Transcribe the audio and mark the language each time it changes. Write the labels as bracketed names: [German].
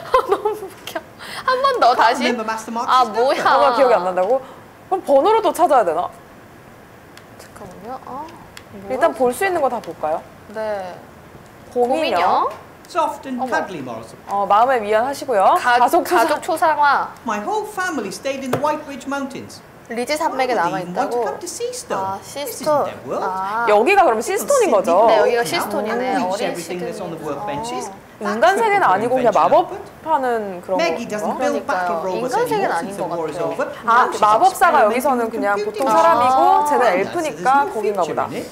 [Korean] 너무 웃겨. 한 번 더, 다시. 아, 뭐야. 번호 기억이 안 난다고? 그럼 번호로 또 찾아야 되나? 잠깐만요. 아, 일단 볼 수 있는 거 다 볼까요? 네. 고민이요. [English] Soft and cuddly models. [Korean] 어, 마음에 위안하시고요. 가족 초상화. [English] My whole family stayed in the White Ridge Mountains. [Korean] 리지 산맥에 남아 있다고. 아, 시스톤. 아. 여기가 그럼 시스톤인 거죠? 네, 여기가 시스톤이네. 어린 시기. 인간 세계는 아니고 그냥 마법 파는 그런 거. 그러니까요. 인간 세계는 아닌 것 같아요. 아, 마법사가 여기서는 그냥 보통 사람이고 쟤는 엘프니까 거긴가 보다.